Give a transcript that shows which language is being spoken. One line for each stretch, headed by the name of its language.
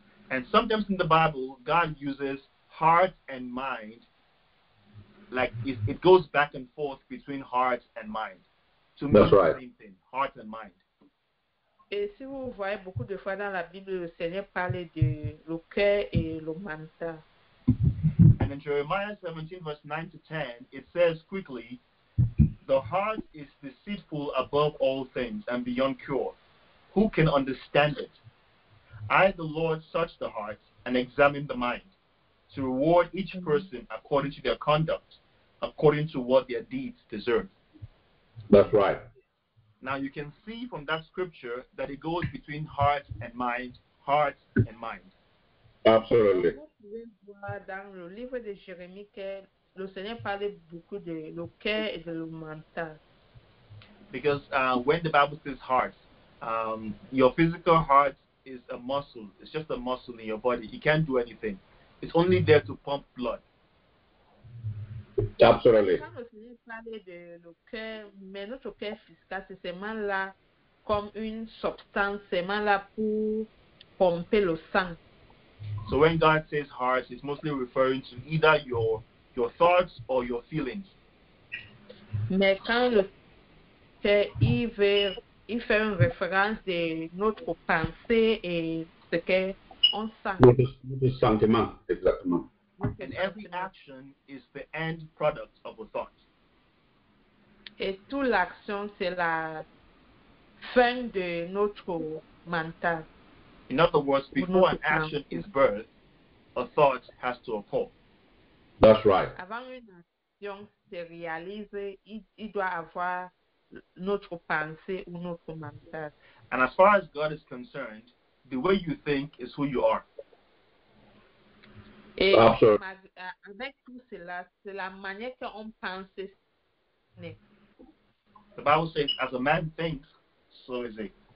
English: And sometimes in the Bible, God uses heart and mind, like it goes back and forth between heart and mind. To me, that's right. The same thing, heart and mind.
French: Et si vous voyez beaucoup de fois dans la Bible, le Seigneur parle de le cœur et le mental.
English: And in Jeremiah 17, verse 9 to 10, it says quickly, the heart is deceitful above all things and beyond cure. Who can understand it? I, the Lord, search the heart and examine the mind to reward each person according to their conduct, according to what their deeds deserve. That's right. Now you can see from that scripture that it goes between heart and mind, heart and mind. Absolutely.
French: Dans le livre de Jérémie que le Seigneur parlait beaucoup de le cœur et de le mental.
English: Because when the Bible says heart, your physical heart is a muscle. It's just a muscle in your body. It can't do anything. It's only there to pump blood. Absolutely.
French: Quand le Seigneur parlait de le cœur, mais notre cœur physique, c'est seulement là comme une substance, seulement là pour pomper le sang.
English: So when God says heart, it's mostly referring to either your thoughts or your feelings.
French: Mais quand le cœur, il fait une référence de notre pensée et ce qu'on sent. Notre sentiment, exactement.
English: And every action is the end product of a thought.
French: Et toute l'action, c'est la fin de notre mental.
English: In other words, before an action is birthed, a thought has to occur. That's right.
French: Avant une action se réalise, il doit avoir notre pensée ou notre mental.
English: And as far as God is concerned, the way you think is who you are. Et absolutely.
French: Avec tout cela, c'est la manière qu'on pense.
English: The Bible says, as a man thinks, so is he.